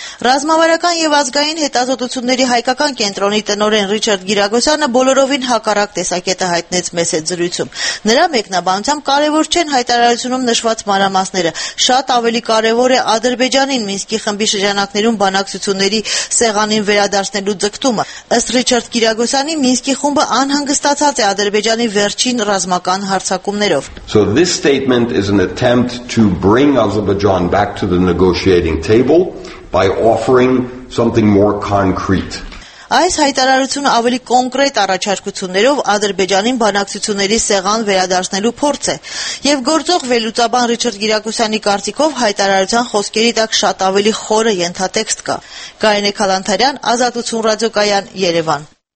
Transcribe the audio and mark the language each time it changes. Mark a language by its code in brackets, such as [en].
[hy] Ռազմավարական և ազգային հետազոտությունների հայկական կենտրոնի տնօրեն Ռիչարդ Գիրագոսյանը բոլորովին հակառակ տեսակետը հայտնեց մեզ հետ զրույցում։ Նրա մեկնաբանությամբ կարևոր չեն հայտարարությունում նշված մանրամասները, շատ ավելի կարևոր է Ադրբեջանին Մինսկի խմբի շրջանակներում բանակցությունների սեղանին վերադարձնելու ձգտումը։ Ըստ Ռիչարդ Գիրագոսյանի, Մինսկի խումբը անհանգստացած է Ադրբեջանի վերջին ռազմական հարձակումներով։ [en] So this statement is an attempt to bring Azerbaijan back to the negotiating table by offering something more concrete. [hy] Այս հայտարարությունը ավելի կոնկրետ առաջարկություններով Ադրբեջանի բանակցությունների սեղան վերադարձնելու փորձ է։ Եվ գործող վելուցաբան Ռիչարդ Գիրակոսյանի կարծիքով հայտարարության խոսքերի տակ շատ ավելի խորը ենթատեքստ կա։ Կայենե Քալանթարյան, Ազատություն ռադիոկայան, Երևան։